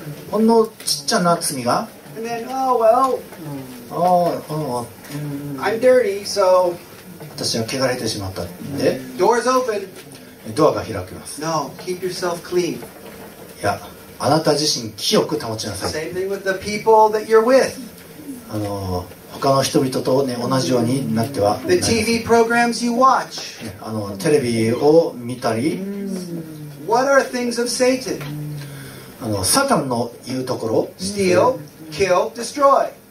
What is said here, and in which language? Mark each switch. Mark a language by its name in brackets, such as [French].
[Japanese] ほんのちっちゃな罪が、私は汚れてしまったんで、 [English] Doors open. [Japanese] ドアが開きます。 [English] No, keep yourself clean. [Japanese] いや、あなた自身清く保ちなさい。 [English] Same thing with the people that you're with. [Japanese] 他の人々と、ね、同じようになってはなります。 [English] The TV programs you watch. [Japanese] テレビを見たり、 [English] What are things of Satan? [Japanese] サタンの言うところ、 [English] Steal, kill, destroy.